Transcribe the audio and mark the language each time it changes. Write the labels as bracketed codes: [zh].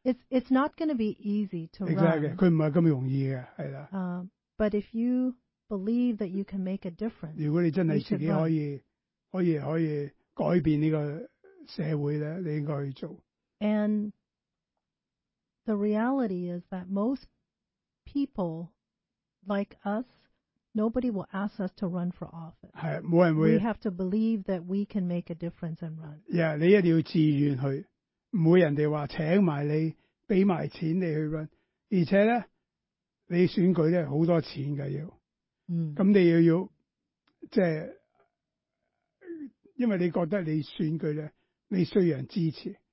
[en] It's not going to be easy to run. Exactly. [zh] 它不是这么容易的。 [en] But if you believe that you can make a difference, [zh] 如果你真的自己可以改变这个社会呢，你应该去做。 [en] And the reality is that most people like us, nobody will ask us to run for office. [zh] 是，没人会。 [en] We have to believe that we can make a difference and run. Yeah, [zh] 你一定要自愿去。不会人家说请埋你给埋钱你去 run， 而且呢你选举呢很多钱的要。嗯。那你要有就是因为你觉得你选举呢你需要人支持。